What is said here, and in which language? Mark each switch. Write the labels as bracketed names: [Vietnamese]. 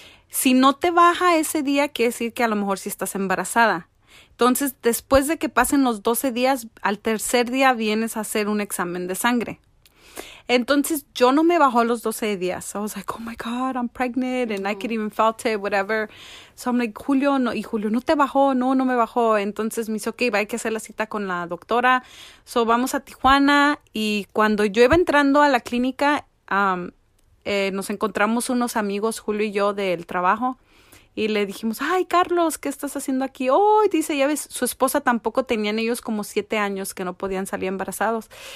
[Spanish] Si no te baja ese día, quiere decir que a lo mejor sí estás embarazada. Entonces, después de que pasen los 12 días, al tercer día vienes a hacer un examen de sangre. Entonces, yo no me bajó los 12 días. [English] So I was like, oh my God, I'm pregnant and I could even felt it, whatever. So I'm like, [Spanish] Julio, no, y Julio, ¿no te bajó? No, no me bajó. Entonces me dice, okay, hay que hacer la cita con la doctora. So vamos a Tijuana y cuando yo iba entrando a la clínica, nos encontramos unos amigos, Julio y yo, del trabajo. Y le dijimos, ay, Carlos, ¿qué estás haciendo aquí? Oh, y dice, ya ves, su esposa tampoco tenían ellos como 7 años que no podían salir embarazados.